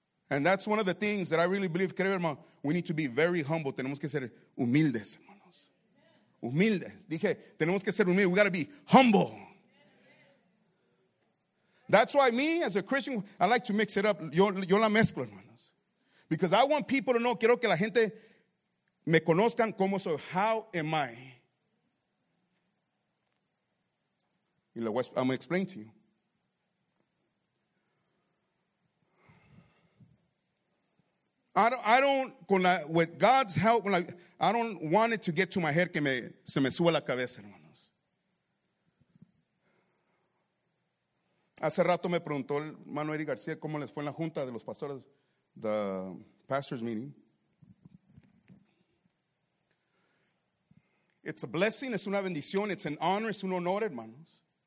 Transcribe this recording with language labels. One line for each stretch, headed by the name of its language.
English: And that's one of the things that I really believe,
Spanish: creo, hermano,
English: we need to be very humble.
Spanish: Tenemos que ser humildes, hermanos. Humildes. Dije, tenemos que ser humildes.
English: We got to be humble. That's why me, as a Christian, I like to mix it up.
Spanish: Yo la mezclo, hermanos.
English: Because I want people to know,
Spanish: quiero que la gente me conozcan como soy.
English: How am I? I'm going to explain to you. I don't, with God's help, I don't want it to get to my head
Spanish: que se me sube la cabeza, hermanos. Hace rato me preguntó el hermano Eric García cómo les fue en la junta de los pastores,
English: the pastor's meeting. It's a blessing,
Spanish: es una bendición,
English: it's an honor,
Spanish: es un honor, hermanos.